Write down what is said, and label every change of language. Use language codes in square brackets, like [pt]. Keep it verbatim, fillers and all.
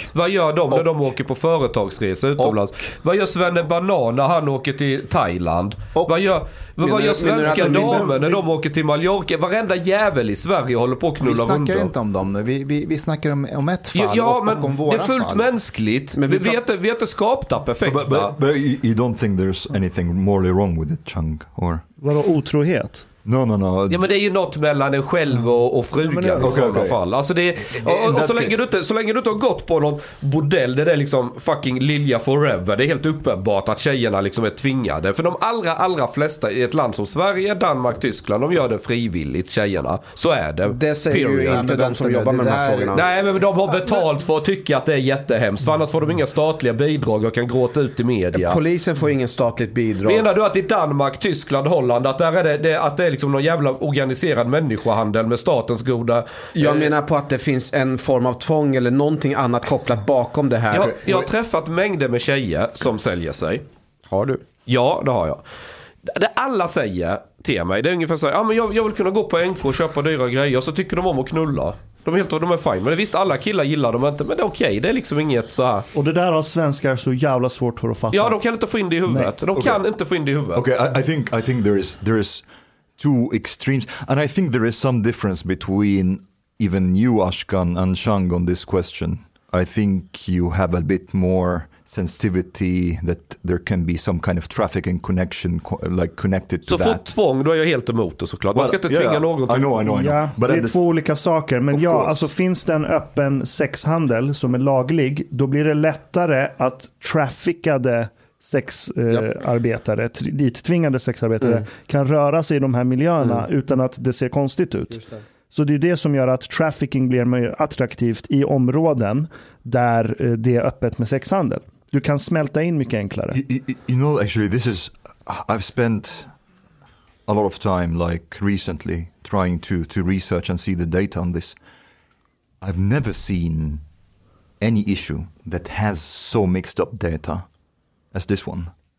[sv] Och, vad gör de när och, de åker på företagsresa utomlands? Och, vad gör Svenne Banan när han åker till Thailand? Och, vad gör, vad, vad gör svenska damer när de åker till Mallorca? Varenda jävel i Sverige håller på att knulla runt. Vi snackar runt inte om dem nu. Vi, vi, vi snackar om, om ett fall ja, och, men, och om våra fall. Det är fullt fall. Mänskligt. Men vi vet, vi vet det skapta perfekt. [en] But, but, but you don't think there's anything morally wrong with it, Chang? Or... [sv] Vadå otrohet? [en] No, no, no. [sv] Ja, men det är ju något mellan en själv och, och frugan ja, i okay, sådana okay. fall. Alltså det är, och, och så, länge du inte, så länge du inte har gått på någon bordell där det är liksom fucking Lilja forever. Det är helt uppenbart att tjejerna liksom är tvingade. För de allra, allra flesta i ett land som Sverige, Danmark, Tyskland, de gör det frivilligt, tjejerna. Så är det. Det säger ju inte men de som det, jobbar med de här frågorna. Nej, men de har betalt för att tycka att det är jättehemskt. För annars får de inga statliga bidrag och kan gråta ut i media. Polisen får ingen statligt bidrag. Menar du att i Danmark, Tyskland, Holland att där är det, det att det är liksom någon jävla organiserad människohandel med statens goda... Jag menar på att det finns en form av tvång eller någonting annat kopplat bakom det här. Jag, jag har träffat mängder med tjejer som säljer sig. Har du? Ja, det har jag. Det alla säger till mig, det är ungefär så här, ja, men jag, jag vill kunna gå på N K och köpa dyra grejer, så tycker de om att knulla. De är helt de är fine, men visst alla killar gillar dem inte, men det är okej, okay, det är liksom inget så här. Och det där har svenskar så jävla svårt för att fatta. Ja, de kan inte få in det i huvudet. De okay. kan inte få in det i huvudet. [en] Okej, okay, I, I think I think there is there is two extremes, and I think there is some difference between even you, Ashkan, and Chang on this question. I think you have a bit more sensitivity that there can be some kind of trafficking connection, like connected to [sv] så [en] that. [sv] Så fort tvång, då är jag helt emot det såklart. Man ska inte tvinga yeah, någon till... I know, I know, I know. Ja, det är två olika saker, men ja, alltså finns det en öppen sexhandel som är laglig, då blir det lättare att trafficade sexarbetare, eh, yep. dit tvingade sexarbetare mm. kan röra sig i de här miljöerna mm. utan att det ser konstigt ut. Just det. Så det är det som gör att trafficking blir mer attraktivt i områden där eh, det är öppet med sexhandel. Du kan smälta in mycket enklare. [en] You, you, you know, actually this is I've spent a lot of time like recently trying to to research and see the data on this. I've never seen any issue that has so mixed up data as this one.